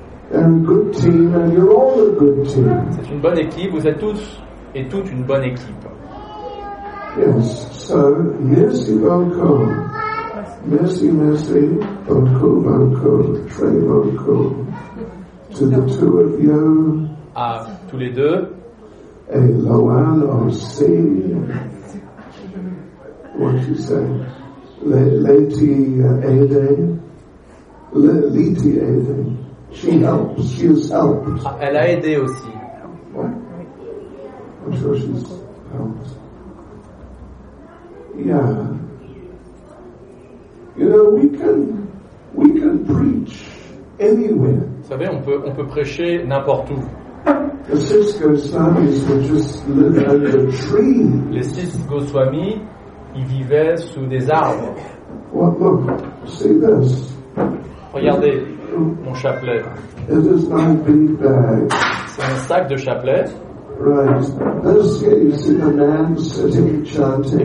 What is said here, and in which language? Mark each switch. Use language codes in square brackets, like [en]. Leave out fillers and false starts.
[en] And good team, and you're all a good team. [fr] C'est une bonne équipe. Vous êtes tous et toutes une bonne équipe. [en] Yes. So, [fr] merci beaucoup. Merci, merci, beaucoup, beaucoup, très beaucoup. [en] To the two of you. [fr] À tous les deux. Et Loan aussi. [en] What you say? Lady Ade. Lady Ade. She helps. She has helped. [fr] Ah, elle a aidé aussi. [en] What? I'm sure she's helped. Yeah. You know, we can preach anywhere. [fr] Vous savez, on peut prêcher n'importe où. [en] The six Goswamis would just live under trees. [fr] Les six Goswamis, ils vivaient sous des arbres. [en] Well, look, see this. [fr] Regardez mon chapelet. [en] It is my big bag. [fr] C'est un sac de chapelet. [en] Right. This, you see the man sitting chanting.